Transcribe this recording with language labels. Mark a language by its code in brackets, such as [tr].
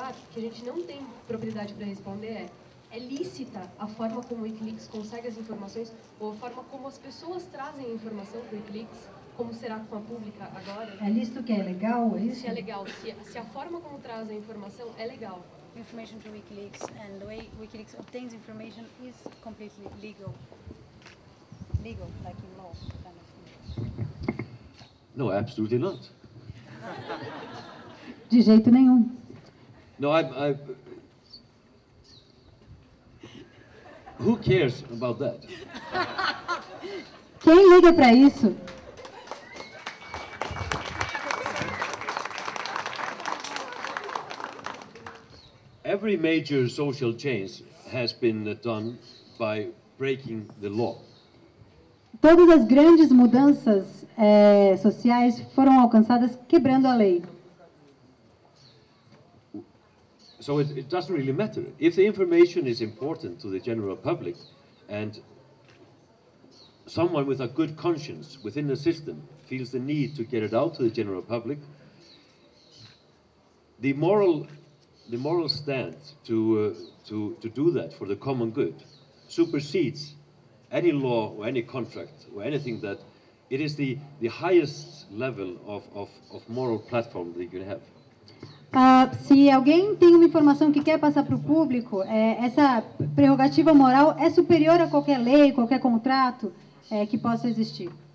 [pt] Que a gente não tem propriedade para responder é lícita a forma como o WikiLeaks consegue as informações ou a forma como as pessoas trazem a informação para o WikiLeaks, como será com a Pública agora? É lícito que é legal? É isso? Se é legal, se a forma como traz a informação é legal. [en] Information to WikiLeaks and the way WikiLeaks obtains information is completely legal. Legal, like in law. No, absolutely not. [pt] De jeito nenhum. [en] No, I. Who cares about that? [pt] Quem liga para isso? [en] Every major social change has been done by breaking the law. [pt] Todas as grandes mudanças sociais foram alcançadas quebrando a lei. [en] So it doesn't really matter. If the information is important to the general public and someone with a good conscience within the system feels the need to get it out to the general public, the moral stand to do that for the common good supersedes any law or any contract or anything that It is the highest level of moral platform that you can have. [pt] Se alguém tem uma informação que quer passar para o público, essa prerrogativa moral é superior a qualquer lei, qualquer contrato que possa existir.